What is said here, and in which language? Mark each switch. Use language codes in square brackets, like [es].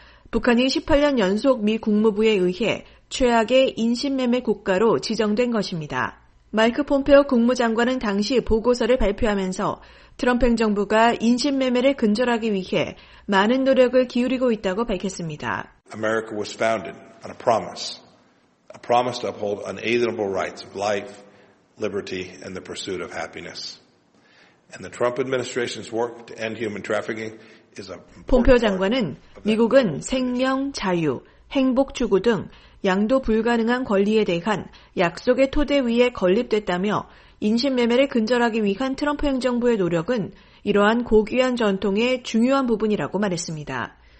[ko] 북한이 18년 연속 미 국무부에 의해 최악의 인신매매 국가로 지정된 것입니다. 마이크 폼페오 국무장관은 당시 보고서를 발표하면서 트럼프 행정부가 인신매매를 근절하기 위해 많은 노력을 기울이고 있다고 밝혔습니다. [en] America was founded on a promise to uphold unalienable rights of life, liberty, and the pursuit of happiness. And the Trump administration's work to end human trafficking is a [ko] 폼페오 장관은 미국은 생명, 자유, 행복 추구 등 양도 불가능한 권리에 대한 약속의 토대 위에 건립됐다며 인신매매를 근절하기 위한 트럼프 행정부의 노력은 이러한 고귀한 전통의 중요한 부분이라고 말했습니다.